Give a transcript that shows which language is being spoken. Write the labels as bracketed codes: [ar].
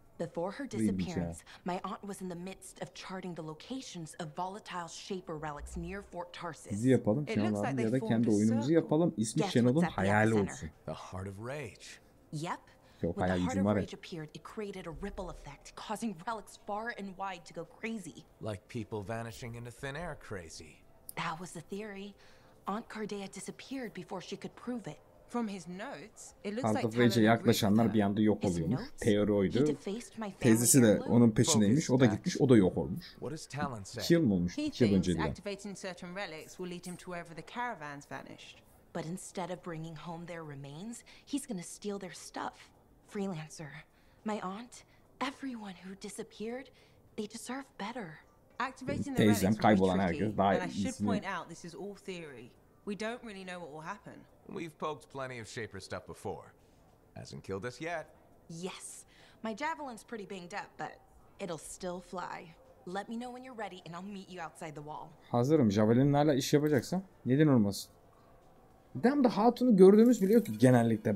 [en] Before her disappearance, my aunt was in the midst of charting the locations of volatile shaper relics near Fort Tarsis. [tr] Bizi yapalım Şenol abi ya da kendi oyunumuzu yapalım. İsmi Şenol'un hayali olsun. The Heart of Rage. Yep. Çok hayal gücüm var. [en] Rage appeared, it created a ripple effect, causing relics far and wide to go crazy. Like people vanishing into thin air crazy. That was the theory. Aunt Cardea disappeared before she could prove it. From his notes, it looks like Talon Rage'e [tr] yaklaşanlar bir anda yok oluyormuş. Teori oydu. Teyzesi de onun peşindeymiş. O da gitmiş, o da yok olmuş. 2 yıl mı olmuş? 2 yıl önce diyor. [en] Activating certain relics will lead him to wherever the caravans vanished. But instead of bringing home their remains, he's going to steal their stuff. Freelancer, my aunt, everyone who disappeared, they deserve better. Activating the relics will be tricky, and I should point out this is all theory. We don't really know what will happen. We've poked plenty of Shaper stuff before. Hasn't killed us yet. Yes. My javelin's pretty banged up, but it'll still fly. Let me know when you're ready and I'll meet you outside the wall. [tr] Hazırım. Javelin'le hala iş yapacaksa. Neden olmasın? Dem de hatunu gördüğümüz bile yok ki genellikle.